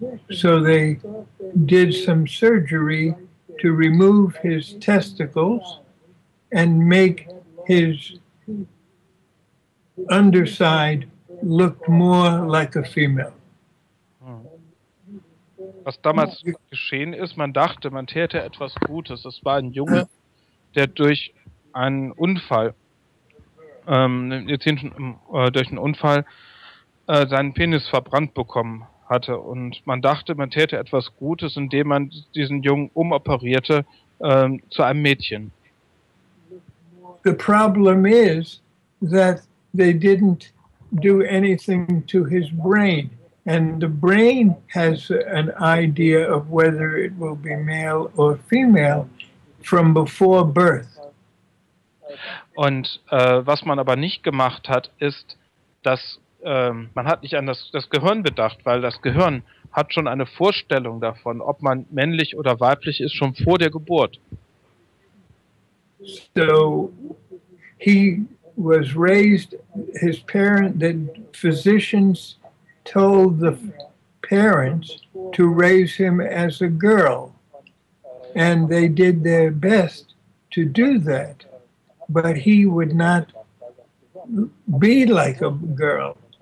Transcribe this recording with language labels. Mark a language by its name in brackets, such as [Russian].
[English] So they did some surgery to remove his testicles and make his underside look more like a female. [German] Was damals geschehen ist, man dachte, man täte etwas Gutes. Es war ein Junge, der durch einen Unfall, seinen Penis verbrannt bekommen hatte. Und man dachte, man täte etwas Gutes, indem man diesen Jungen umoperierte zu einem Mädchen. [English] The problem is that they didn't do anything to his brain. And the brain has an idea of whether it will be male or female from before birth. [German] Und was man aber nicht gemacht hat, ist, dass man hat nicht an das Gehirn bedacht, weil das Gehirn hat schon eine Vorstellung davon, ob man männlich oder weiblich ist, schon vor der Geburt. [English] So he was raised, his parent, the physicians told the parents to raise him as a girl, and they did their best to do that, but he would not be like a girl.